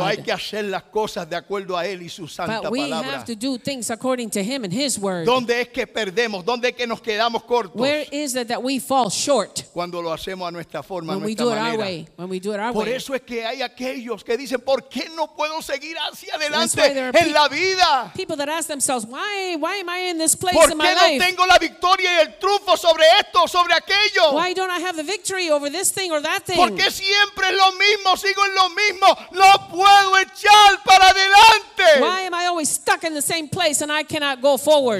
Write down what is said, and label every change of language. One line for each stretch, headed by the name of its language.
Spanish: Pero hay que hacer las cosas de acuerdo a Él y su santa palabra.
English: But we
Spanish: palabra.
English: Have to do things according to Him and His word.
Spanish: ¿Dónde es que perdemos? ¿Dónde es que nos quedamos cortos?
English: Where is it that we fall short?
Spanish: Cuando lo hacemos a nuestra forma,
English: when
Spanish: a nuestra manera.
English: When we do it our way. When we do it our
Spanish: Por
English: way.
Spanish: Eso es que hay aquellos que dicen, ¿por qué no puedo seguir hacia adelante en la vida?
English: People that ask themselves, why am I in this place in my
Spanish: life? ¿Por qué no tengo la victoria y el triunfo sobre esto, sobre aquello?
English: Why don't I have the victory over this? This thing or that thing.
Spanish: Porque siempre es lo mismo, sigo en lo mismo, no puedo echar para adelante.
English: Why am I always stuck in the same place and I cannot go forward?